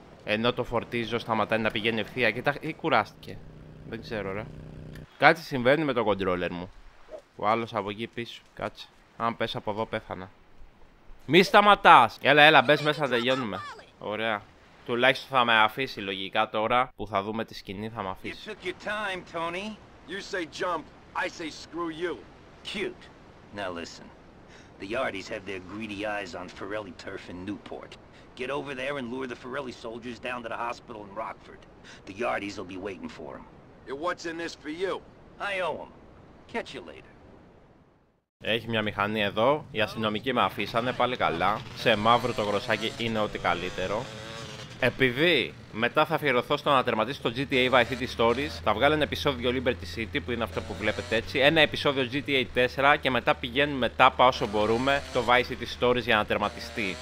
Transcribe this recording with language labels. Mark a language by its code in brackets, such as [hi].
[el] Ενώ το φορτίζω σταματάει να πηγαίνει ευθεία. Κοίτα, ή κουράστηκε. Δεν ξέρω ρε. Κάτι συμβαίνει με το κοντρόλερ μου. Ο άλλος από εκεί πίσω. Κάτσε. Αν πέσει από εδώ πέθανα. Μη σταματάς. Έλα έλα μπες μέσα να τελειώνουμε. Ωραία. Τουλάχιστον θα με αφήσει λογικά τώρα που θα δούμε τη σκηνή θα με αφήσει. [en] You took your time, Tony. You say jump, I say screw you. Cute. Now listen. The Yardies have their greedy eyes on Ferrelli turf in Newport. Get over there and lure the Ferrelli soldiers down to the hospital in Rockford. The Yardies will be waiting for them. And what's in this for you? I owe them. Catch you later. [el] Έχει μια μηχανή εδώ, οι αστυνομικοί με αφήσανε πάλι καλά. Σε μαύρο το γροσάκι είναι ό,τι καλύτερο. Επειδή μετά θα αφιερωθώ στο να τερματίσω το GTA Vice City Stories, θα βγάλω ένα επεισόδιο Liberty City που είναι αυτό που βλέπετε έτσι, ένα επεισόδιο GTA 4 και μετά πηγαίνουμε τάπα όσο μπορούμε το Vice City Stories για να τερματιστεί.